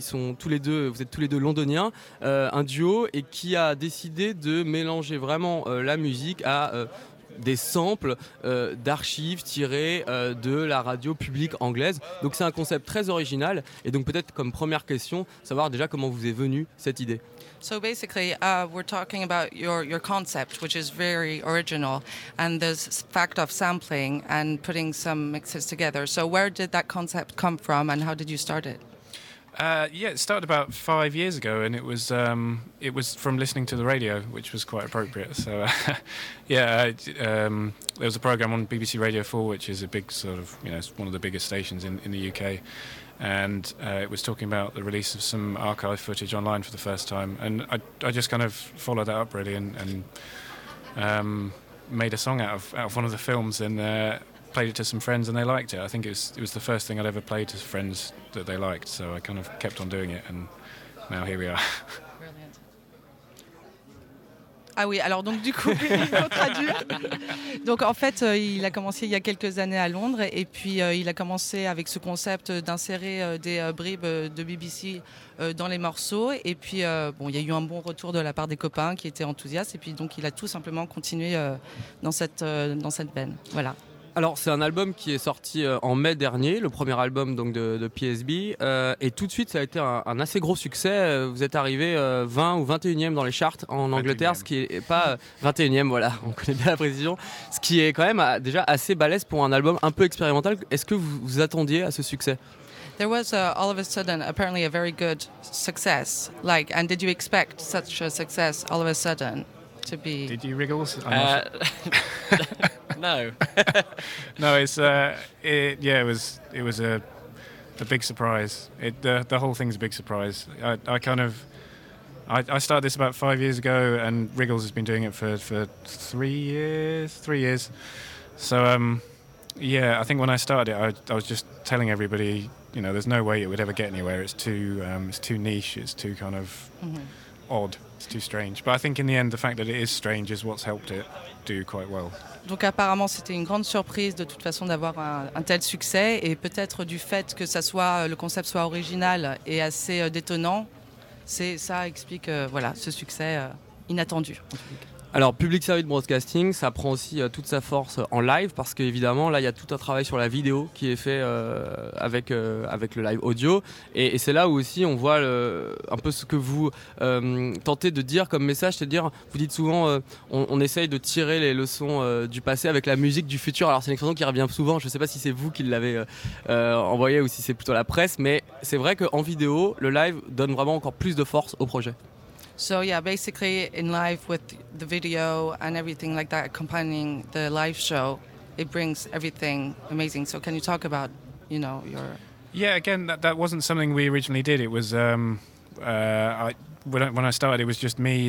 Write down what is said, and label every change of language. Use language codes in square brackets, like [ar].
[fr] Vous êtes tous les deux londoniens, un duo et qui a décidé de mélanger vraiment la musique à des samples d'archives tirés de la radio publique anglaise. Donc c'est un concept très original. Et donc peut-être comme première question, savoir déjà comment vous est venue cette idée. [en] So basically, we're talking about your concept, which is very original, and this fact of sampling and putting some mixes together. So where did that concept come from, and how did you start it? Yeah, it started about 5 years ago, and it was from listening to the radio, which was quite appropriate. So there was a program on BBC Radio 4, which is a big sort of, you know, it's one of the biggest stations in the UK. And it was talking about the release of some archive footage online for the first time, and I just kind of followed that up really, and made a song out of one of the films, and played it to some friends, and they liked it. I think it was the first thing I'd ever played to friends that they liked, so I kind of kept on doing it, and now here we are. [fr] Ah oui, alors donc du coup, il faut traduire. Donc en fait, il a commencé il y a quelques années à Londres et puis il a commencé avec ce concept d'insérer des bribes de BBC dans les morceaux. Et puis, bon, il y a eu un bon retour de la part des copains qui étaient enthousiastes. Et puis donc, il a tout simplement continué dans cette veine. Voilà. Alors, c'est un album qui est sorti en mai dernier, le premier album donc de PSB. Et tout de suite, ça a été un assez gros succès. Vous êtes arrivé 20 ou 21e dans les charts en Angleterre, 21e. Ce qui n'est pas 21e, voilà, on connaît bien la précision. Ce qui est quand même déjà assez balèze pour un album un peu expérimental. Est-ce que vous attendiez à ce succès? [en] There was all of a sudden apparently a very good success. Like, and did you expect such a success all of a sudden to be? Did you wriggles? No, it was a big surprise. The whole thing's a big surprise. I started this about 5 years ago, and Riggles has been doing it for 3 years. So I think when I started it, I was just telling everybody, you know, there's no way it would ever get anywhere. It's too niche. It's too kind of odd. It's too strange. But I think in the end, the fact that it is strange is what's helped it do quite well. [fr] Donc apparemment c'était une grande surprise de toute façon d'avoir un tel succès, et peut-être du fait que ça soit, le concept soit original et assez détonnant, ça explique ce succès inattendu. Alors, Public Service Broadcasting, ça prend aussi toute sa force en live, parce qu'évidemment, là, il y a tout un travail sur la vidéo qui est fait avec le live audio. Et c'est là où aussi on voit un peu ce que vous tentez de dire comme message, c'est-à-dire, vous dites souvent, on essaye de tirer les leçons du passé avec la musique du futur. Alors, c'est une expression qui revient souvent, je ne sais pas si c'est vous qui l'avez envoyé ou si c'est plutôt la presse, mais c'est vrai qu'en vidéo, le live donne vraiment encore plus de force au projet. [en] So yeah, basically in live with the video and everything like that accompanying the live show, it brings everything amazing. So can you talk about, you know, your... Yeah, again, that wasn't something we originally did. It was, when I started, it was just me.